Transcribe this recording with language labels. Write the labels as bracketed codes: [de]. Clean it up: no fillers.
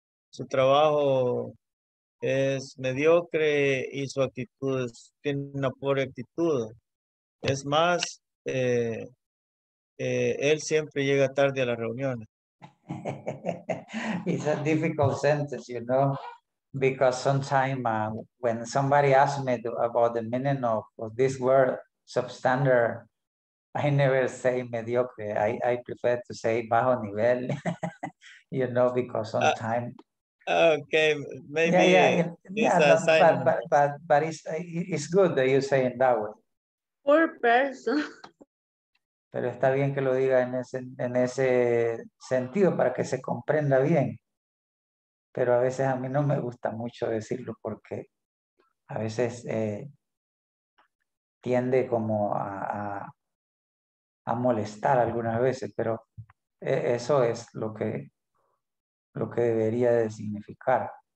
[es] Su trabajo es mediocre y su actitud es, tiene una pobre actitud. Es más, él siempre llega tarde a las reuniones. [en] It's a difficult sentence, you know, because sometimes when somebody asks me about the meaning of this word, substandard, I never say mediocre. I prefer to say [es] bajo nivel, [en] you know, because sometimes. Okay, maybe. But it's good that you say in that way. Poor person. [es] Pero está bien que lo diga en ese sentido para que se comprenda bien. Pero a veces a mí no me gusta mucho decirlo porque a veces tiende como a molestar algunas veces, pero eso es lo que debería de significar.